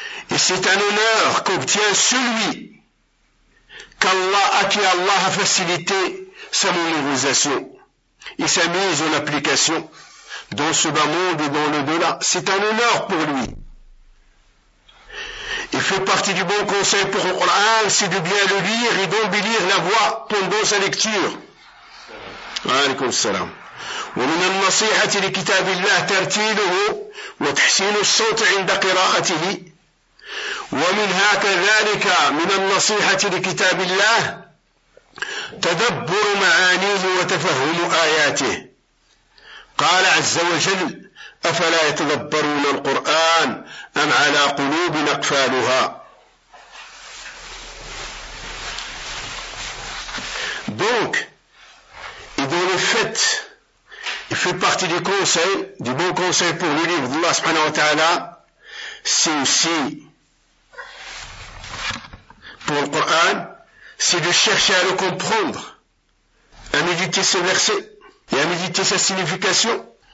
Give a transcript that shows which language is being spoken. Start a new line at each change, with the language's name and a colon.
French: Et c'est un honneur qu'obtient celui qu'Allah, à qui Allah a facilité sa mémorisation et sa mise en application dans ce bas monde et dans l'au-delà. C'est un honneur pour lui. Il fait partie du bon conseil pour le Coran, c'est de bien le lire et d'embellir la voix pendant sa lecture.
Arabic: عليكم السلام. ومن النصيحة لكتاب الله ترتيله وتحسين الصوت عند قراءته، ومنها كذلك من النصيحة لكتاب الله تدبر معانيه وتفهم آياته. قال عز وجل: أفلا يتدبرون القرآن أم على قلوب أقفالها. دونك
French: Et dans le fait, il fait partie du conseil, du bon conseil pour le livre d'Allah subhanahu wa ta'ala, c'est aussi, pour le Coran, c'est de chercher à le comprendre, à méditer ce verset et à méditer sa signification.